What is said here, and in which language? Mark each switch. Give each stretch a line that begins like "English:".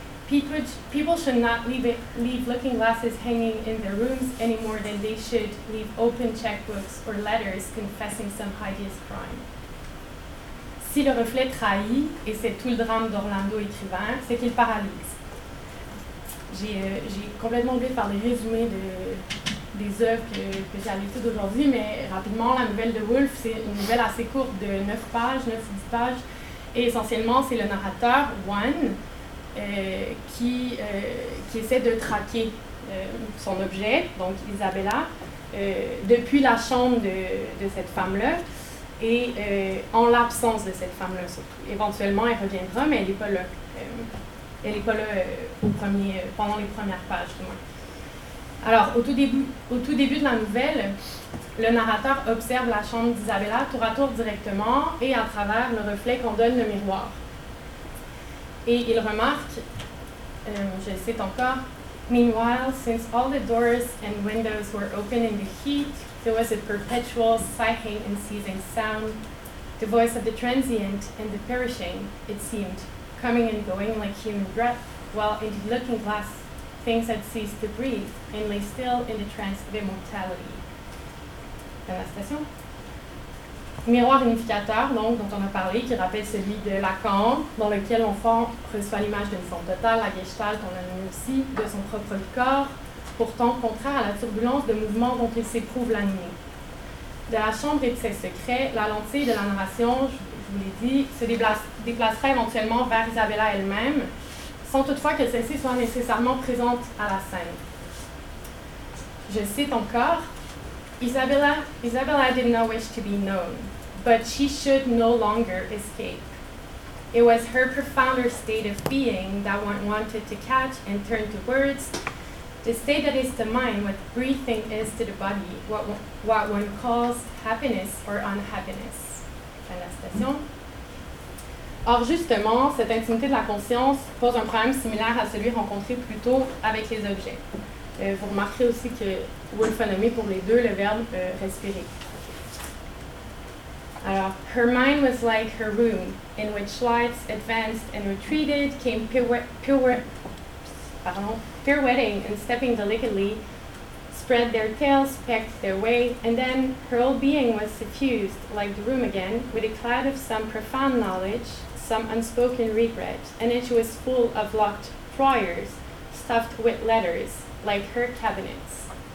English: People should not leave looking glasses hanging in their rooms any more than they should leave open checkbooks or letters confessing some hideous crime.
French: Si le reflet trahit, et c'est tout le drame d'Orlando écrivain, c'est qu'il paralyse. J'ai complètement oublié de faire le résumé des œuvres que j'ai à l'étude aujourd'hui, mais rapidement, la nouvelle de Woolf, c'est une nouvelle assez courte de 9 pages, 9 ou 10 pages, et essentiellement, c'est le narrateur, Wayne, qui essaie de traquer son objet, donc Isabella, depuis la chambre de cette femme-là et en l'absence de cette femme-là surtout. Éventuellement, elle reviendra, mais elle n'est pas là. Pendant les premières pages, du moins. Alors, au tout début de la nouvelle, le narrateur observe la chambre d'Isabella tour à tour directement et à travers le reflet qu'en donne le miroir. Et il remarque, je cite encore,
English: « Meanwhile, since all the doors and windows were open in the heat, there was a perpetual sighing and seizing sound, the voice of the transient and the perishing, it seemed, coming and going like human breath, while in the looking glass, things had ceased to breathe and lay still in the trance of immortality. »
French: Dans la station. Miroir unificateur, donc, dont on a parlé, qui rappelle celui de Lacan, dans lequel l'enfant reçoit l'image d'une forme totale, la gestalt, on l'a nommé aussi, de son propre corps, pourtant contraire à la turbulence de mouvement dont il s'éprouve l'animé. De la chambre et de ses secrets, la lentille de la narration, je vous l'ai dit, se déplacera éventuellement vers Isabella elle-même, sans toutefois que celle-ci soit nécessairement présente à la scène. Je cite encore,
English: Isabella did not wish to be known, but she should no longer escape. It was her profounder state of being that one wanted to catch and turn to words, The state that is the mind, what breathing is to the body, what one calls happiness or unhappiness.
French: Fin de la citation. Or justement, cette intimité de la conscience pose un problème similaire à celui rencontré plus tôt avec les objets. Vous remarquerez aussi que Wolf a nommé pour les deux le verbe respirer.
English: Alors, her mind was like her room, in which lights advanced and retreated, came pirouetting and stepping delicately, spread their tails, pecked their way, and then her whole being was suffused, like the room again, with a cloud of some profound knowledge, some unspoken regret, and it was full of locked drawers, stuffed with letters, like her cabinets.